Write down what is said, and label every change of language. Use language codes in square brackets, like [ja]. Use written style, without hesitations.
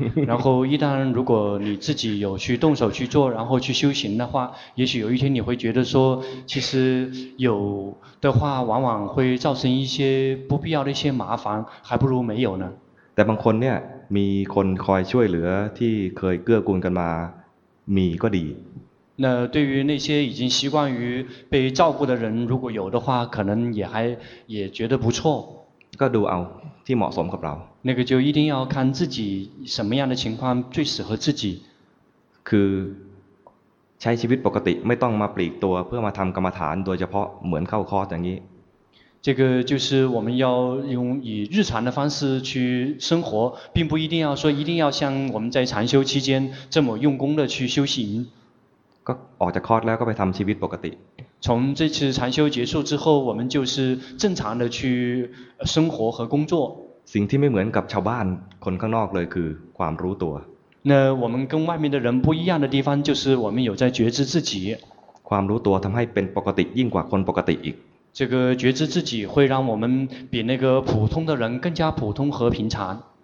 [zh] 然后一旦如果你自己有去动手去做然后去修行的话也许有一天你会觉得说其实有的话往往会造成一些不必要的一些麻烦还不如没有呢 [th] แต่บางคนเนี่ยมีคนคอยช่วยเหลือที่เคยเกื้อกูลกันมามีก็ดี [zh] 那对于那些已经习惯于被照顾的人如果有的话可能也觉得不错 [th] ก็ดูเอาที่เหมาะสมกับเรา [zh] 那个就一定要看自己什么样的情况最适合自己 [th] คือใช้ชีวิตปกติไม่ต้องมาปลีกตัวเพื่อมาทำกรรมฐานโดยเฉพาะเหมือนเข้าคอร์สอย่างนี้ [zh] 这个就是我们要用以日常的方式去生活并不一定要说一定要像我们在禅修期间这么用功的去修行 [th] ก็ออกจากคอร์สแล้วก็ไปทำชีวิตปกติ [zh] 从这次禅修结束之后我们就是正常的去生活和工作 [th] สิ่งที่ไม่เหมือนกับชาวบ้านคนข้างนอกเลยคือความรู้ตัว [zh] 那我们跟外面的人不一样的地方就是我们有在觉知自己 [th] ความรู้ตัวทำให้เป็นปกติยิ่งกว่าคนปกติอีก [zh] 这个觉知自己会让我们比那个普通的人更加普通和平常